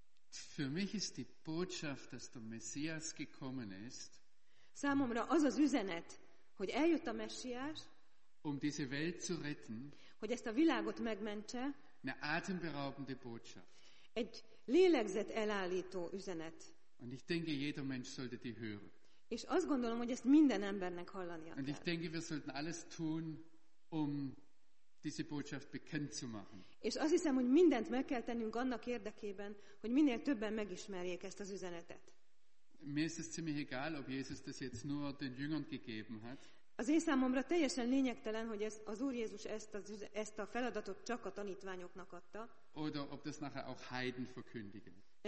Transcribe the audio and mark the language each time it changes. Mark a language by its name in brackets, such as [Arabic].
[German] für mich ist die Botschaft, dass der Messias gekommen ist. [Hungarian] Számomra az az üzenet, hogy eljött a Messias, [German] um diese Welt zu retten, [Hungarian] hogy ezt a világot megmentse, [German] eine atemberaubende Botschaft. [Hungarian] Egy lélegzet elállító üzenet. [German] Und ich denke, jeder Mensch sollte die hören. [Hungarian] És azt gondolom, hogy ezt minden embernek hallania kell. [German] Und ich denke, wir sollten alles tun, um diese Botschaft bekannt zu machen. [Hungarian] És azt hiszem, hogy mindent meg kell tennünk annak érdekében, hogy minél többen megismerjék ezt az üzenetet. [German] Mir ist es ziemlich egal, ob Jesus das jetzt nur den Jüngern gegeben hat. [Hungarian] Az én számomra teljesen lényegtelen, hogy ez, az Úr Jézus ezt a feladatot csak a tanítványoknak adta. [German] Oder ob das nachher auch Heiden verkündigen.